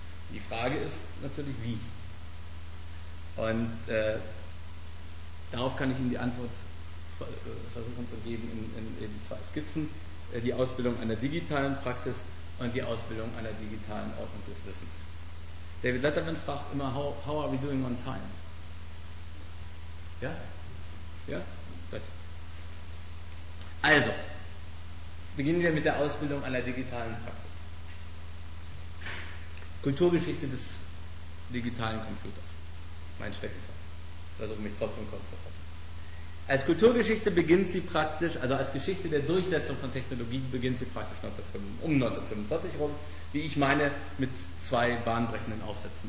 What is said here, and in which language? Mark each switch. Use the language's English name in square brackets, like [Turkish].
[German] Die Frage ist natürlich, wie? Und darauf kann ich Ihnen die Antwort versuchen zu geben in zwei Skizzen. Die Ausbildung einer digitalen Praxis und die Ausbildung einer digitalen Ordnung des Wissens. [English] David Letterman [German] fragt immer, [English] how are we doing on time? [German] Ja? Ja? Gut. Also, beginnen wir mit der Ausbildung einer digitalen Praxis. Kulturgeschichte des digitalen Computers. Mein Steckenpferd. Versuche mich trotzdem kurz zu fassen. Als Kulturgeschichte beginnt sie praktisch, also als Geschichte der Durchsetzung von Technologie beginnt sie praktisch 1945 rum, wie ich meine, mit zwei bahnbrechenden Aufsätzen.